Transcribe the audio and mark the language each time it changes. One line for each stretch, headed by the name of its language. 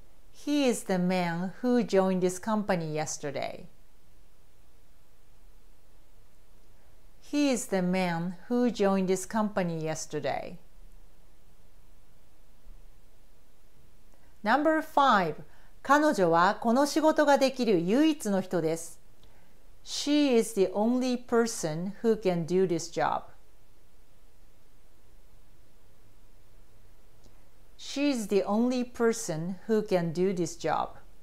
English: He is the man who joined this company yesterday. He is the man who joined this company yesterday. Number 5.
Japanese: 彼女はこの仕事ができる唯一の人です。
English: She is the only person who can do this job. She is the only person who can do this job.